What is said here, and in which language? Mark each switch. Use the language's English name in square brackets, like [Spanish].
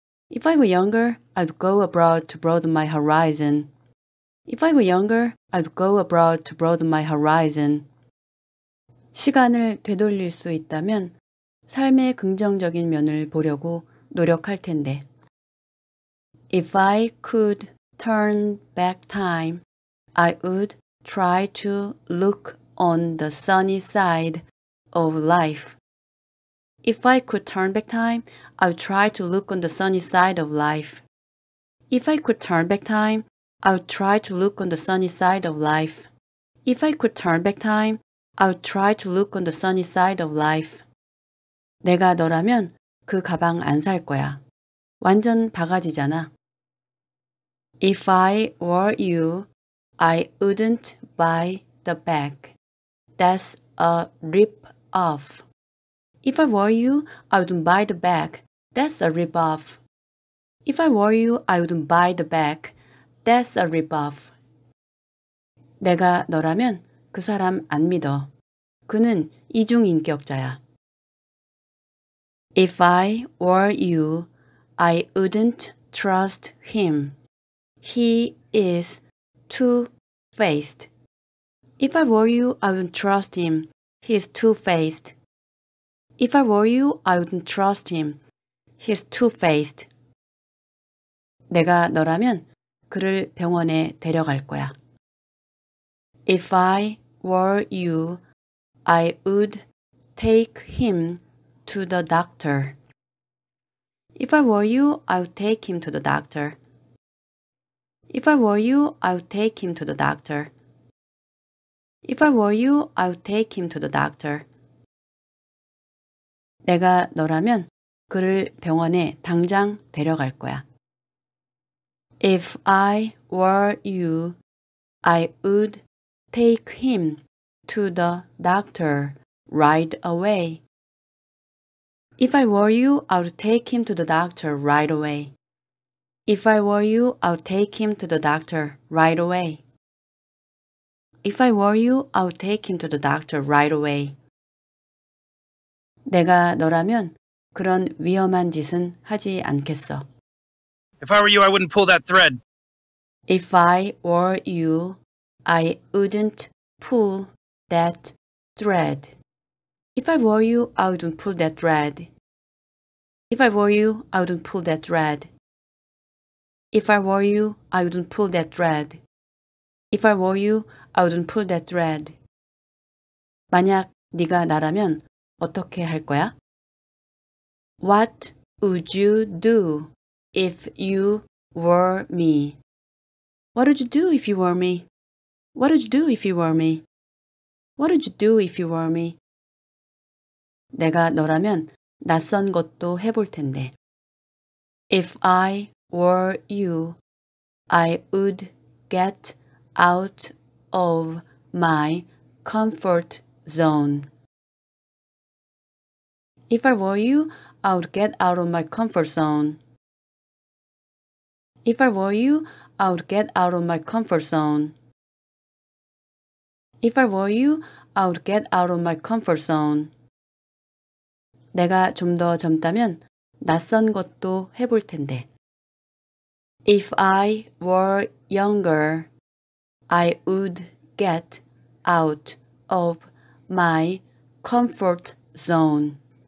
[English] If I were younger, I'd go abroad to broaden my horizon. If I were younger, I'd go abroad to broaden my horizon. [Korean] 시간을 되돌릴 수 있다면 삶의 긍정적인 면을 보려고 노력할 텐데. [English] If I could turn back time, I would try to look on the sunny side of life. If I could turn back time, I would try to look on the sunny side of life. If I could turn back time, I would try to look on the sunny side of life. If I could turn back time, I would try to look on the sunny side of life. [Korean] 내가 너라면 그 가방 안 살 거야. 완전 바가지잖아. [English] If I were you, I wouldn't buy the bag. That's a rip-off. If I were you, I wouldn't buy the bag. That's a rip-off. If I were you, I wouldn't buy the bag. That's a rip-off. [Korean] 내가 너라면 그 사람 안 믿어. 그는 이중인격자야. [English] If I were you, I wouldn't trust him. He is two-faced. If I were you, I wouldn't trust him. He is two-faced. If I were you, I wouldn't trust him. He is two-faced. [Korean] 내가 너라면 그를 병원에 데려갈 거야. [English] If I were you, I would take him to the doctor. If I were you, I would take him to the doctor. If I were you, I would take him to the doctor. If I were you, I would take him to the doctor. [Korean] 내가 너라면 그를 병원에 당장 데려갈 거야. [English] If I were you, I would take him to the doctor right away. If I were you, I would take him to the doctor right away. If I were you, I would take him to the doctor right away. If I were you, I would take him to the doctor right away. [Korean] 내가 너라면 그런 위험한 짓은 하지 않겠어. [English] If I were you, I wouldn't pull that thread. If I were you, I wouldn't pull that thread. If I were you, I wouldn't pull that thread. If I were you, I wouldn't pull that thread. If I were you, I wouldn't pull that thread. If I were you, I wouldn't pull that thread. [Korean] 만약 네가 나라면 어떻게 할 거야? [English] What would you do? If you were me, what would you do if you were me? What would you do if you were me? What would you do if you were me? [Korean] 내가 너라면 낯선 것도 해볼 텐데. [English] If I were you, I would get out of my comfort zone. If I were you, I would get out of my comfort zone. If I were you, I would get out of my comfort zone. If I were you, I would get out of my comfort zone. [Korean] 내가 좀 더 젊다면 낯선 것도 해볼 텐데. [English] If I were younger, I would get out of my comfort zone.